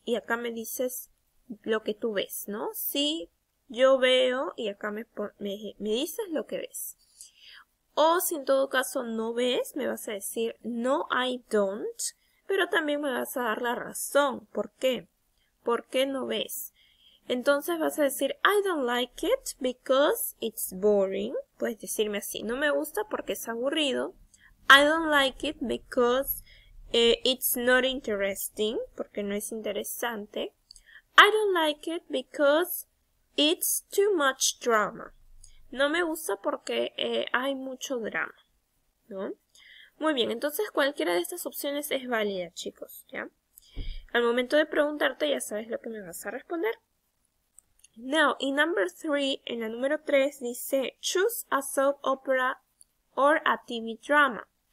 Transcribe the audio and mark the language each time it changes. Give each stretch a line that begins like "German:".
Spanish: Y acá me dices lo que tú ves, ¿no? Sí. Yo veo y acá me dices lo que ves. O si en todo caso no ves, me vas a decir no,
English: I don't.
Spanish: Pero también me vas a dar la razón. ¿Por qué? ¿Por qué no ves? Entonces vas a decir
English: I don't like it because it's boring.
Spanish: Puedes decirme así. No me gusta porque es aburrido.
English: I don't like it because it's not interesting.
Spanish: Porque no es interesante.
English: I don't like it because it's too much drama.
Spanish: No me gusta porque hay mucho drama, ¿no? Muy bien, entonces cualquiera de estas opciones es válida, chicos, ¿ya? Al momento de preguntarte ya sabes lo que me vas a responder.
English: Now, in number three,
Spanish: en la número 3 dice,
English: choose a soap opera or a TV drama.